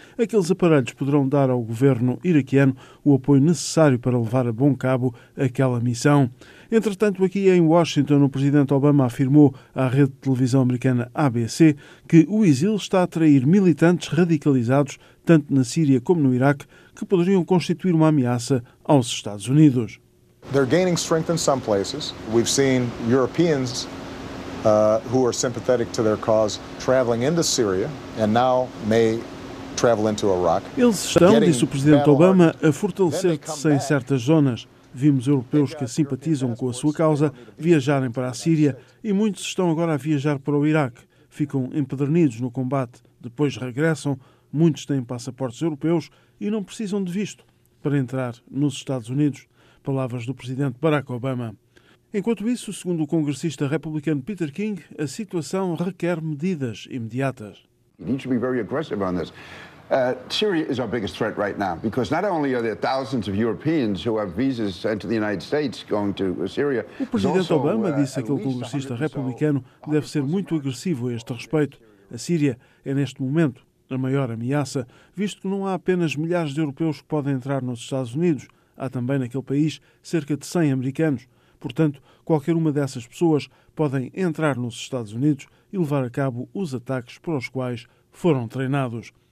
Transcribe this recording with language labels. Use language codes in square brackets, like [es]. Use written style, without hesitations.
[pt] Aqueles aparelhos poderão dar ao governo iraquiano o apoio necessário para levar a bom cabo aquela missão. Entretanto, aqui em Washington, o presidente Obama afirmou à rede de televisão americana ABC que o ISIL está a atrair militantes radicalizados, tanto na Síria como no Iraque, que poderiam constituir uma ameaça aos Estados Unidos. [en] They're gaining strength in some places. We've seen Europeans who are sympathetic to their cause traveling into Syria and now may travel into Iraq. [pt] Eles estão, disse o presidente Obama, a fortalecer-se em certas zonas. Vimos europeus que simpatizam com a sua causa viajarem para a Síria e muitos estão agora a viajar para o Iraque. Ficam empedernidos no combate, depois regressam. Muitos têm passaportes europeus e não precisam de visto para entrar nos Estados Unidos. Palavras do presidente Barack Obama. Enquanto isso, segundo o congressista republicano Peter King, a situação requer medidas imediatas. Você tem que ser muito agressivo nisso. [en] Syria is our biggest threat right now because not only are there thousands of Europeans who have visas sent to the United States going to Syria. [pt] O presidente Obama disse que o congressista republicano deve ser muito agressivo a este respeito. A Síria é neste momento a maior ameaça, visto que não há apenas milhares de europeus que podem entrar nos Estados Unidos, há também naquele país cerca de 100 americanos. Portanto, qualquer uma dessas pessoas podem entrar nos Estados Unidos e levar a cabo os ataques para os quais foram treinados.